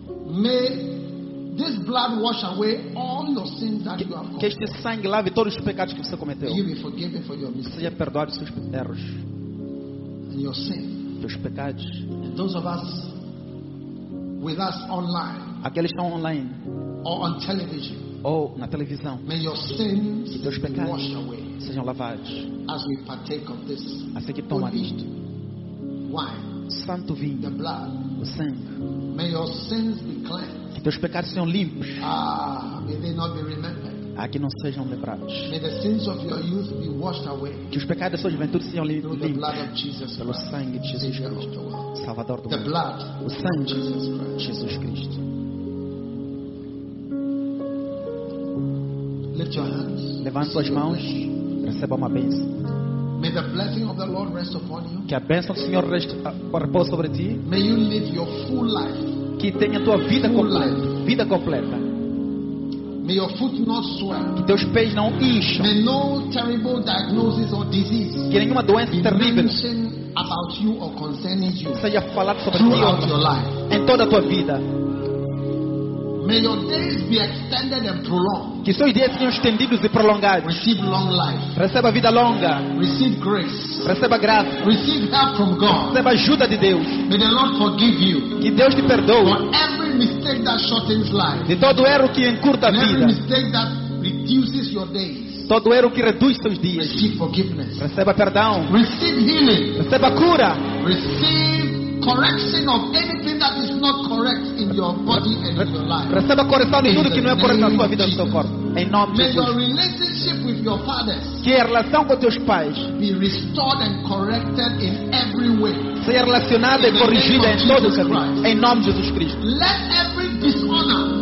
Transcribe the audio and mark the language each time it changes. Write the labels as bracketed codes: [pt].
[en] may this blood wash away all your sins that you have committed. [pt] Que este sangue lave todos os pecados que você cometeu. [en] You be forgiven for your mistakes. [pt] Seja perdoado seus erros. [en] And your sin. [pt] teus pecados. [en] And those of us with us online, [pt] aqueles que estão online, [en] or on television, [pt] ou na televisão, [en] may your sins [pt] teus pecados [en] wash away, [pt] sejam lavados, [en] as we partake of this, [pt] assim que tomar isto, [en] wine, [pt] santo vinho, [en] the blood, [pt] o sangue, [en] may your sins be cleansed, [pt] que teus pecados sejam limpos. [en] May they not be remembered. [pt] Que não sejam lembrados. [en] May the sins of your youth be washed away. [pt] Que os pecados da sua juventude sejam limpos. [en] The blood of Jesus [pt] pelo sangue de Jesus Cristo, Salvador do [en] the [pt] mundo. [en] Blood [pt] o sangue de Jesus Cristo. Jesus Cristo. [en] Lift your hands. [pt] Levante suas mãos. Receba uma bênção. [en] May the blessing of the Lord rest upon you. [pt] Que a bênção do Senhor repouse sobre ti. [en] May you live your full life. [pt] Que tenha tua vida completa. Vida completa. [en] May your foot not swell. [pt] Que teus pés não incham. [en] May no terrible diagnosis or disease. [pt] Que nenhuma doença terrível [en] about you or concerning you. [pt] Seja falado sobre [en] throughout [pt] ti [en] your life. [pt] Em toda a tua vida. [en] May your days be extended and prolonged. [pt] Que seus dias sejam estendidos e prolongados. [en] Receive long life. [pt] Receba vida longa. [en] Receive grace. [pt] Receba graça. [en] Receive help from God. [pt] Receba ajuda de Deus. [en] May the Lord forgive you. [pt] Que Deus te perdoe. [en] For every mistake that shortens life. [pt] De todo erro que encurta a vida. [en] Every mistake that reduces your days. [pt] Todo erro que reduz seus dias. [en] Receive forgiveness. [pt] Receba perdão. [en] Receive healing. [pt] Receba cura. [en] Receive correction of anything that is not correct in your body and in your life. [pt] Receba correção de tudo que não é correto na sua vida e no seu corpo. Em nome de Jesus. [en] May your relationship with your fathers, [pt] que a relação com teus pais, [en] be restored and corrected in every way. [pt] Seja relacionada e corrigida em todos os caminhos. Em nome de Jesus Cristo. [en] Let every dishonor,